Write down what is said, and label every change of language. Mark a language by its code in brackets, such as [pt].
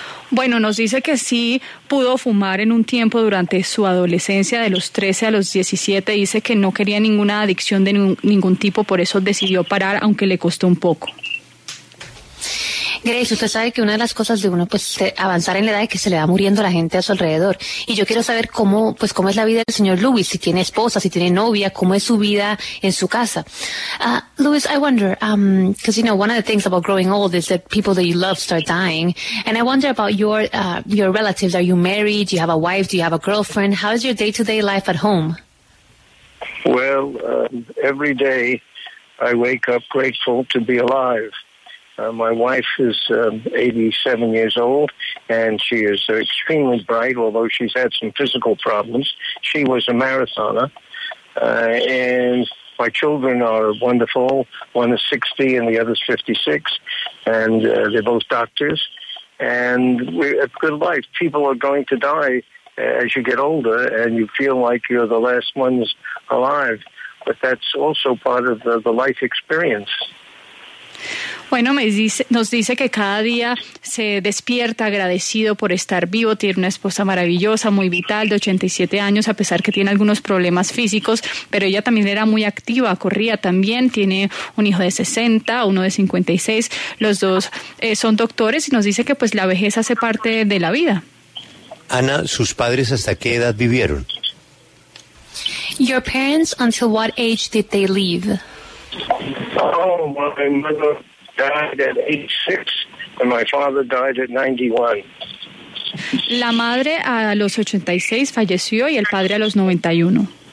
[es] Bueno, nos dice que sí pudo fumar en un tiempo durante su adolescencia, de los 13 a los 17, dice que no quería ninguna adicción de ningún tipo, por eso decidió parar, aunque le costó un poco. Grace, usted sabe que una de las cosas de uno, pues, avanzar en la edad es que se le va muriendo la gente a su alrededor. Y yo quiero saber cómo es la vida del señor Luis, si tiene esposa, si tiene novia, cómo es su vida en su casa. [en] Luis, I wonder, because one of the things about growing old is that people that you love start dying. And I wonder about your relatives. Are you married? Do you have a wife? Do you have a girlfriend? How is your day-to-day life at home? Well, every day I wake up grateful to be alive. My wife is 87 years old, and she is extremely bright, although she's had some physical problems. She was a marathoner, and my children are wonderful. One is 60 and the other is 56, and they're both doctors. And we're a good life. People are going to die as you get older, and you feel like you're the last ones alive. but that's also part of the life experience. [es] Bueno, nos dice que cada día se despierta agradecido por estar vivo, tiene una esposa maravillosa, muy vital, de 87 años, a pesar que tiene algunos problemas físicos, pero ella también era muy activa, corría también, tiene un hijo de 60, uno de 56, los dos son doctores, y nos dice que pues la vejez hace parte de la vida. Ana, ¿sus padres hasta qué edad vivieron? [en] Your parents, until what age did they live? Oh, my mother died at 86 and my father died at 91. [es] La madre a los 86 falleció y el padre a los 91.